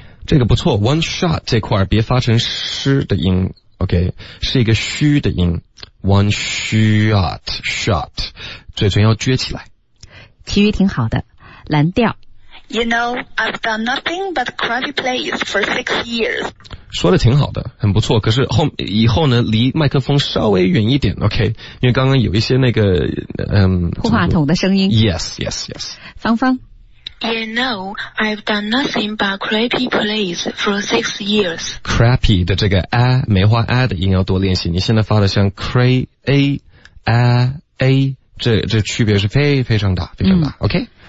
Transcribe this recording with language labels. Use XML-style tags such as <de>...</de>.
<zh>这个不错 ,one shot 这块别发成诗的音 ,</zh> <en>OK,</en> <zh>是一个虚的音 ,one shot, shot, 嘴唇要撅起来。其余挺好的蓝调。</zh> <en>You know, I've done nothing but crappy plays for 6 years.</en> <zh>说的挺好的很不错可是后以后呢离麦克风稍微远一点</zh> <en>OK,</en> <zh>因为刚刚有一些那个呼话筒的声音。</zh> <en>Yes, yes, yes.</en> <zh>芳芳。</zh> <en>You know, I've done nothing but crappy plays for 6 years.</en> <zh>Crappy 的这个 a, 梅花 a 的音要多练习你现在发的像 cray, a, a, a, 这区别是非常大非常大、</zh> <en>OK?</en>